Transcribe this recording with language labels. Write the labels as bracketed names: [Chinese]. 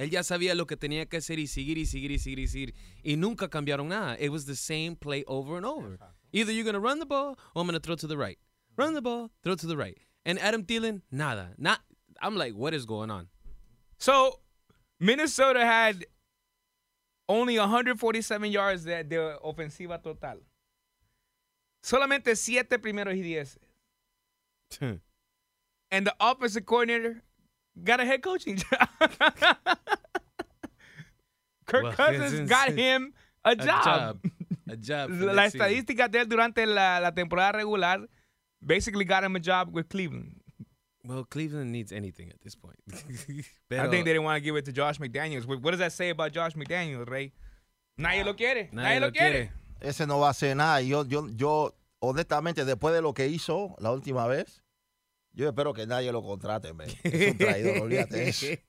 [Spanish] Él ya sabía lo que tenía que hacer y seguir y seguir y seguir y seguir. Y nunca cambiaron nada. [English] It was the same play over and over. Exactly. Either you're going to run the ball or I'm going to throw to the right. Mm-hmm. Run the ball, throw to the right. And Adam Thielen, nada. Not, I'm like, what is going on? So Minnesota had only 147 yards [Spanish] de ofensiva total. Solamente 7 primeros y 10. [English] And the offensive coordinator got a head coaching job. Kirk Cousins got him a job. [Spanish] La estadística de él durante la temporada regular [English] basically got him a job with Cleveland. Well, Cleveland needs anything at this point. Pero, I think they didn't want to give it to Josh McDaniels. What does that say about Josh McDaniels, Ray? [Spanish] Nadie lo quiere. Nadie lo quiere. Ese no va a hacer nada. Yo, honestamente, después de lo que hizo la última vez, yo espero que nadie lo contrate, man. Es un traidor, olvídate de eso.